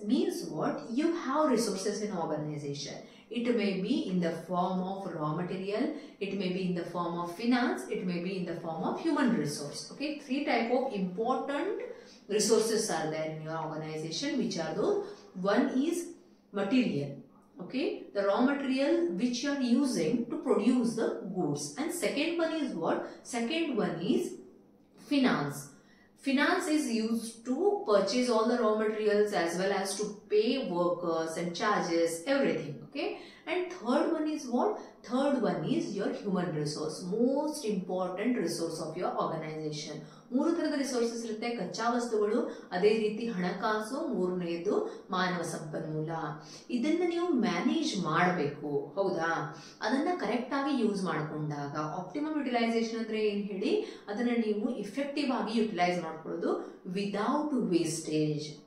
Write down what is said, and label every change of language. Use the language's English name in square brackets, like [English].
[English] Means what, you have resources in organisation. It may be in the form of raw material, it may be in the form of finance, it may be in the form of human resource. Okay, three type of important resources are there in your organisation, which are those? One is material, okay, the raw material which you are using to produce the goods. And second one is what? Second one is finance. Finance is used to purchase all the raw materials as well as to pay workers and charges, everything. Okay? And third one is what? Third one is your human resource, most important resource of your organization. [Kannada] ಮೂರು ತರದ resources ಇರುತ್ತೆ, ಕಚ್ಚಾ ವಸ್ತುಗಳು, ಅದೇ ರೀತಿ ಹಣಕಾಸು, ಮೂರನೆಯದು ಮಾನವ ಸಂಪನ್ಮೂಲ. ಇದನ್ನ ನೀವು ಮ್ಯಾನೇಜ್ ಮಾಡಬೇಕು, ಹೌದಾ? ಅದನ್ನ ಕರೆಕ್ಟ್ ಆಗಿ ಯೂಸ್ ಮಾಡಿಕೊಂಡಾಗ ಆಪ್ಟಿಮಮ್ ಯುಟಿಲೈಸೇಷನ್ ಅಂದ್ರೆ ಏನ್ ಹೇಳಿ, ಅದನ್ನ ನೀವು ಇಫೆಕ್ಟಿವ್ ಆಗಿ ಯುಟಿಲೈಸ್ ಮಾಡ್ಕೊಳ್ಳೋದು [English] Without wastage.